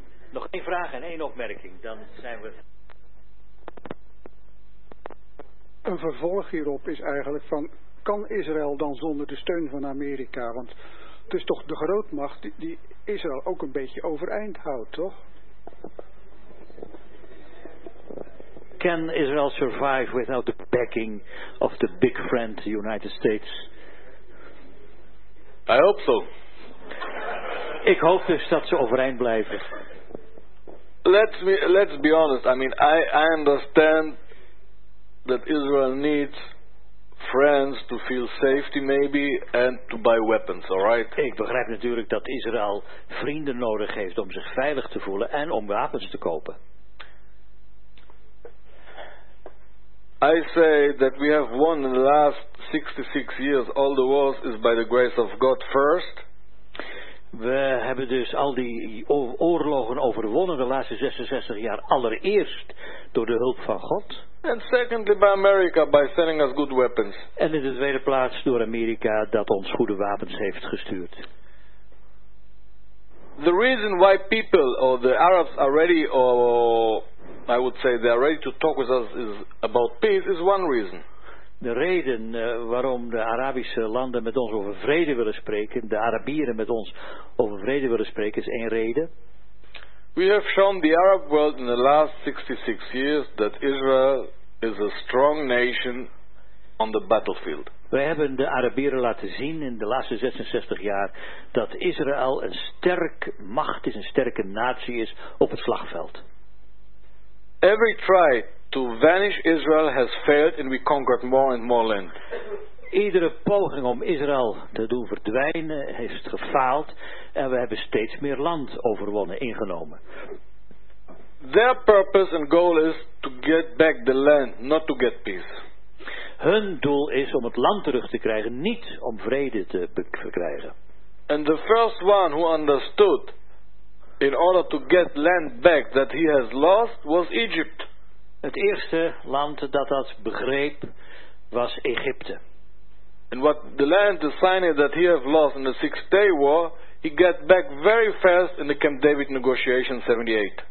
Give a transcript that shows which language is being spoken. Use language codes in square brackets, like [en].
[nl] Nog één vraag en één opmerking, dan zijn we. Een vervolg hierop is eigenlijk van, kan Israël dan zonder de steun van Amerika? Want het is toch de grootmacht die Israël ook een beetje overeind houdt, toch? [en] Can Israel survive without the backing of the big friend, the United States? I hope so. [nl] Ik hoop dus dat ze overeind blijven. [en] Let's be honest, I mean, I understand that Israel needs friends to feel safety maybe and to buy weapons, all right? [nl] Ik begrijp natuurlijk dat Israël vrienden nodig heeft om zich veilig te voelen en om wapens te kopen. [en] I say that we have won in the last 66 years all the wars is by the grace of God first. [nl] We hebben dus al die oorlogen overwonnen de laatste 66 jaar allereerst door de hulp van God. [en] And secondly by America by sending us good weapons. [nl] En in de tweede plaats door Amerika dat ons goede wapens heeft gestuurd. [en] the reason why people or the Arabs are ready, or I would say they are ready to talk with us, is about peace, is one reason. [nl] De reden waarom de Arabische landen met ons over vrede willen spreken, de Arabieren met ons over vrede willen spreken, is één reden. [en] We have shown the Arab world in the last 66 years that Israel is a strong nation on the battlefield. [nl] We hebben de Arabieren laten zien in de laatste 66 jaar dat Israël een sterke macht is, een sterke natie is op het slagveld. [en] Every try to vanish Israel has failed and we conquered more and more land. [nl] Iedere poging om Israël te doen verdwijnen heeft gefaald en we hebben steeds meer land overwonnen, ingenomen. [en] Their purpose and goal is to get back the land, not to get peace. [nl] Hun doel is om het land terug te krijgen, niet om vrede te verkrijgen. [en] And the first one who understood in order to get land back that he has lost was Egypt. [nl] Het eerste land dat dat begreep was Egypte. [en] And what the land, the Sinai that he have lost in the Six-Day War, he got back very fast in the Camp David negotiation 78.